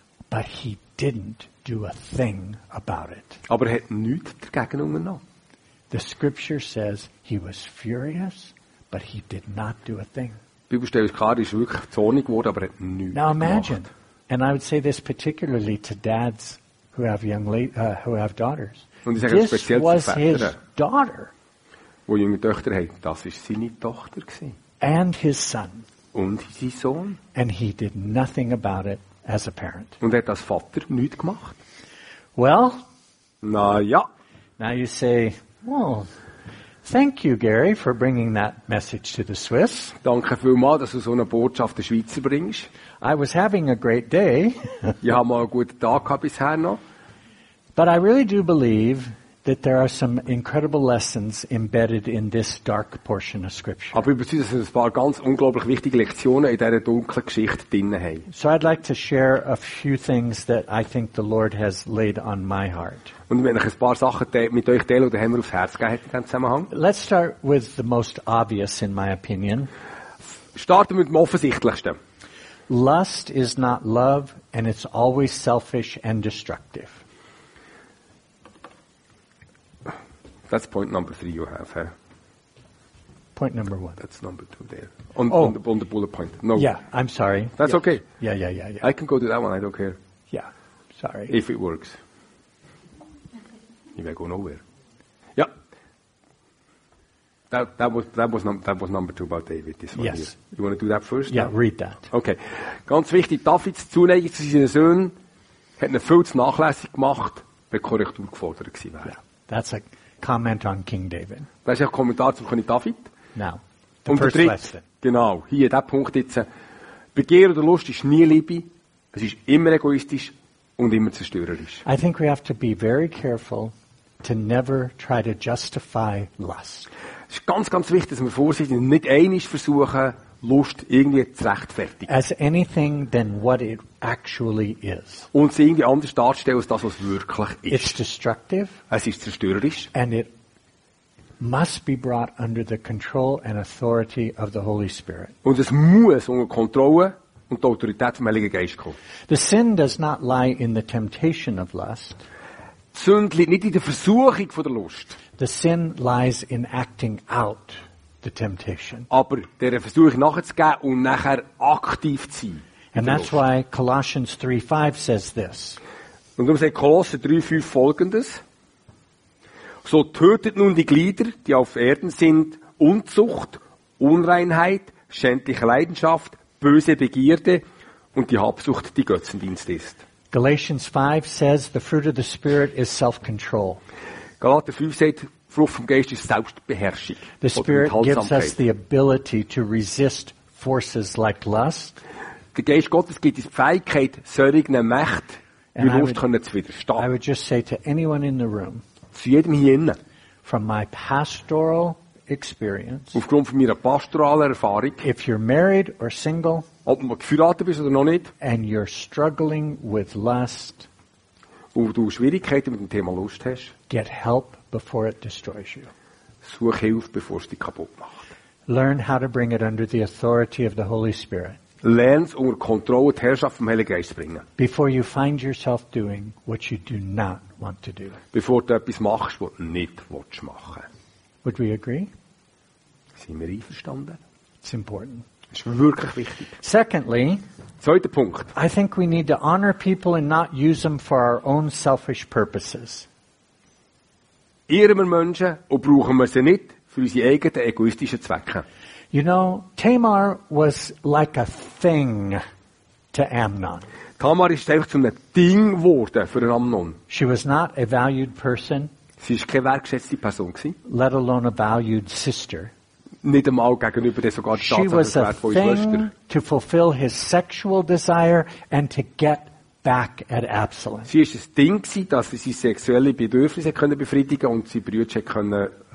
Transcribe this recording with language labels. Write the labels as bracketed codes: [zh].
[en] But he didn't do a thing about it. [de] Aber er hat nichts dagegen unternommen. [en] The scripture says he was furious, but he did not do a thing. [de] Die Bibel stellt es klar, er ist wirklich zornig geworden, aber er hat nichts gemacht. [en] Now imagine, and I would say this particularly to dads who have daughters. [de] Und ich sage [en] this [de] speziell was Väter, [en] his daughter. [de] Wo junge Töchter haben, das ist seine Tochter gewesen. [en] And his son. [de] Und sein Sohn. [en] And he did nothing about it. As a parent. [de] Und hat das Vater nichts gemacht? [en] Well, [de] na ja. [en] Now you say, well, thank you, Gary, for bringing that message to the Swiss. [de] Danke vielmals, dass du so eine Botschaft der Schweizer bringst. [en] I was having a great day. [de] Ich habe mal einen guten Tag gehabt bisher noch. [en] But I really do believe that there are some incredible lessons embedded in this dark portion of Scripture. [de] Aber überzeugt, dass es ein paar ganz unglaublich wichtige Lektionen in dieser dunklen Geschichte drin haben. [en] So I'd like to share a few things that I think the Lord has laid on my heart. [de] Und ich möchte ein paar Sachen mit euch teilen, die mir aufs Herz gegeben hat in diesem Zusammenhang. [en] Let's start with the most obvious, in my opinion. [de] Starten mit dem offensichtlichsten. [en] Lust is not love, and it's always selfish and destructive. That's point number 3 you have. Huh? Point number 1. That's number 2 there. On the bullet point. No. Yeah, I'm sorry. That's okay. Yeah. I can go to that one. I don't care. Yeah, sorry. If it works. You may go nowhere. Yeah. That was number 2 about David, this one. Yes. Here. You want to do that first? Yeah, now? Read that. Okay. [de] Ganz wichtig, Davids Zuneigung zu seinen Söhnen hat eine viel zu nachlässig gemacht, wenn Korrektur gefordert gewesen wäre. [en] Yeah, that's a... Comment on King David. [de] Das ist ein Kommentar zum König David. [en] Now, the first lesson. [de] Genau, hier, der Punkt jetzt. Begehr oder Lust ist nie Liebe. Es ist immer egoistisch und immer zerstörerisch. [en] I think we have to be very careful to never try to justify lust. [de] Es ist ganz, ganz wichtig, dass wir vorsichtig sind, nicht einmal versuchen, Lust irgendwie zu rechtfertigen. [en] As anything than what it actually is. [de] Und sie irgendwie anders darstellen als das, was wirklich ist. [en] It's destructive. [de] Es ist zerstörerisch. [en] And it must be brought under the control and authority of the Holy Spirit. [de] Und es muss unter Kontrolle und die Autorität vom Heiligen Geist kommen. [en] The sin does not lie in the temptation of lust. [de] Die Sünde liegt nicht in der Versuchung von der Lust. [en] The sin lies in acting out. The temptation. [de] Aber der Versuch nachzugehen und nachher aktiv zu sein. [en] And that's why Colossians 3:5 says this. [de] Und darum sagt Kolosser 3:5 folgendes. So tötet nun die Glieder, die auf Erden sind, Unzucht, Unreinheit, schändliche Leidenschaft, böse Begierde und die Habsucht, die Götzendienst ist. [en] Galatians 5 says the fruit of the Spirit is self-control. [de] Galater 5 sagt, Frucht vom Geist ist Selbstbeherrschung. [en] The Spirit gives us the ability to resist forces like lust. [de] Der Geist Gottes gibt uns die Fähigkeit, solchen Mächten wie Lust können zu widerstehen. [en] I would just say to anyone in the room, [de] zu jedem hier innen, [en] from my pastoral experience, [de] aufgrund von meiner pastoralen Erfahrung, [en] if you're married or single, [de] ob du verheiratet bist oder noch nicht, [en] and you're struggling with lust, [de] und du Schwierigkeiten mit dem Thema Lust hast, [en] get help before it destroys you. [de] Such Hilfe, bevor es dich kaputt macht. [en] Learn how to bring it under the authority of the Holy Spirit. [de] Lern es unter Kontrolle und Herrschaft vom Heiligen Geist bringen. [en] Before you find yourself doing what you do not want to do. [de] Bevor du etwas machst, was du nicht willst machen. [en] Would we agree? [de] Sind wir einverstanden? [en] It's important. [de] Es ist wirklich wichtig. [en] Secondly, [de] zweiter Punkt. [en] I think we need to honor people and not use them for our own selfish purposes. [de] Ehren wir Menschen und brauchen wir sie nicht für unsere eigenen egoistischen Zwecke. [en] You know, Tamar was like a thing to Amnon. [de] Tamar ist einfach zu einem Ding geworden für Amnon. [en] She was not a valued person. [de] Sie ist keine wertgeschätzte Person gewesen. [en] Let alone a valued sister. [de] Nicht einmal gegenüber der sogar Staatsanwalt von Schwester. [en] She was a thing to fulfill his sexual desire and to get back at Absalom. [de] Sie ist ein Ding gewesen, dass sie seine sexuellen Bedürfnisse können befriedigen und sie Brüche können.